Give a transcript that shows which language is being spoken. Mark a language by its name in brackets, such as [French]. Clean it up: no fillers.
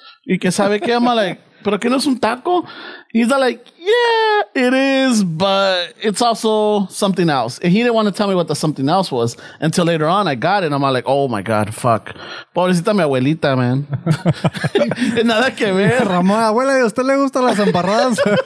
[Spanish] Y que sabe que ama, like, pero que no es un taco. [English] He's like, yeah, it is, but it's also something else. And he didn't want to tell me what the something else was until later on I got it. I'm like, oh my God, fuck. [Spanish] Pobrecita mi abuelita, man. Nada que ver. Ramón, abuela, ¿y a usted le gustan las embarradas?